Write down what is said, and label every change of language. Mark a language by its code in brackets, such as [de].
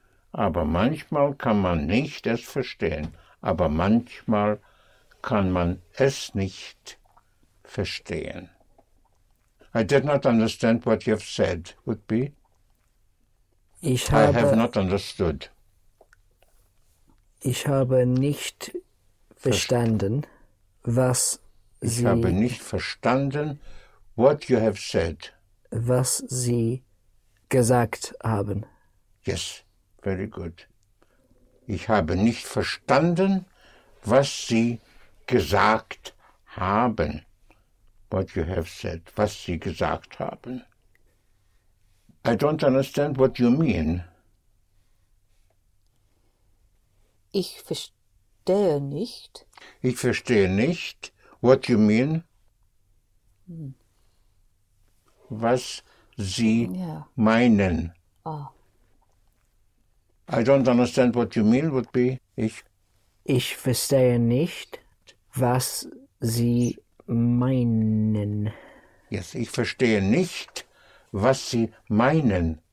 [de] Aber manchmal kann man nicht es verstehen. Aber manchmal kann man es nicht verstehen. [en] I did not understand what you have said. Would be? I have not understood. [de] Ich habe nicht verstanden, was Sie... Ich habe nicht verstanden, [en] what you have said. [de] Was Sie gesagt haben. [en] Yes, very good. [de] Ich habe nicht verstanden, was Sie gesagt haben. [en] What you have said, [de] was Sie gesagt haben. [en] I don't understand what you mean. [de] Ich verstehe nicht. Ich verstehe nicht. [en] What you mean? [de] Was Sie meinen. Ah. [en] I don't understand what you mean would be ich. [de] Ich verstehe nicht, was Sie meinen. Yes, ich verstehe nicht, was Sie meinen.